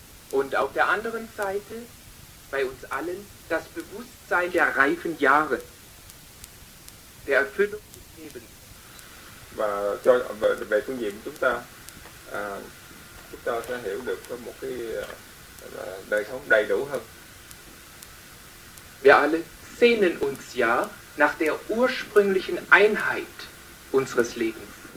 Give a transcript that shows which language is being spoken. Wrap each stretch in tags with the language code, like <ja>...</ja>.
<de>Und auf der anderen Seite, bei uns allen, das Bewusstsein der reifen Jahre, der Erfüllung des Lebens.</de> <vi>Và cho về phương diện chúng ta sẽ hiểu được một cái đời sống đầy đủ hơn.</vi> <de>Wir alle sehnen uns ja nach der ursprünglichen Einheit unseres Lebens.</de>